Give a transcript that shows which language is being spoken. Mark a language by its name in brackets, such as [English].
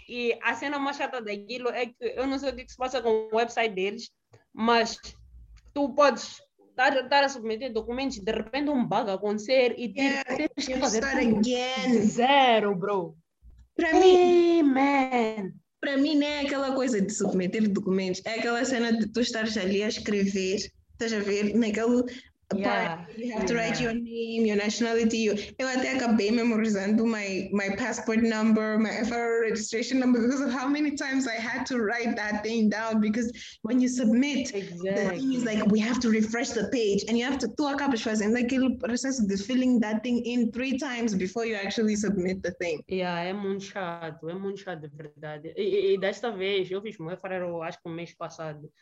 [Portuguese] E a cena mais chata daquilo é que eu não sei o que se passa com o website deles, mas tu podes estar a submeter documentos e de repente um bug acontecer e tens que fazer tudo de zero, bro. Para mim não é aquela coisa de submeter documentos, é aquela cena de tu estares ali a escrever, estás a ver, naquele... [English] You have to write your name, your nationality. [Portuguese] Eu até acabei memorizando [English] my passport number, my FRO registration number, because of how many times I had to write that thing down. Because when you submit, the thing is like, we have to refresh the page, and you have to [Portuguese] acabas fazendo aquele processo de [English] filling that thing in 3 times before you actually submit the thing. [Portuguese] Yeah, é muito chato, de verdade. E desta vez, eu fiz meu FRO, acho que o mês passado.